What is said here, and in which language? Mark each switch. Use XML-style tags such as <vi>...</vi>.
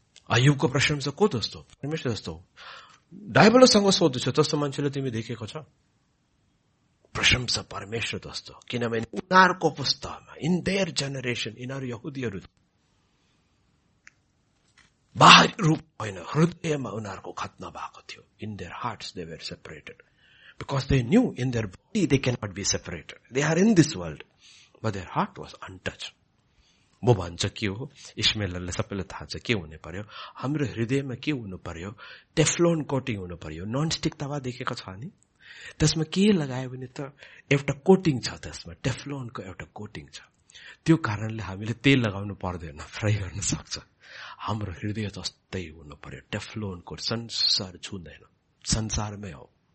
<ne>अय्युबको प्रशंसा को जस्तो, परमेश्वर जस्तो. डायबलसँग सोध्दैछ, जस्तो मान्छेले तिमी देखेको छ, प्रशंसा परमेश्वर जस्तो. किनभने उनीहरूको पुस्तामा,</ne> <en>in their generation,</en> <ne>यिनीहरू यहुदीहरू बाहिर रूप होइन, हृदयमा उनीहरूको खत्ना भएको थियो.</ne> <en>In their hearts they were separated. Because they knew in their body they cannot be separated. They are in this world. But their heart was untouched.</en> <ne>वो भन्छ के हो इस्मेललाई सबैले थाहा छ के हुने पर्यो हाम्रो हृदयमा के हुनु पर्यो टेफ्लोन कोटिङ हुनु पर्यो ननस्टिक तवा देखेको छ नि त्यसमा के लगायो भने त एउटा कोटिङ छ त्यसमा टेफ्लोनको एउटा कोटिङ छ त्यो कारणले हामीले तेल लगाउनु पर्दैन फ्राई गर्न सक्छ हाम्रो हृदय जस्तै हुनु पर्यो टेफ्लोनको संसार छुँदैन संसारमै हो</ne>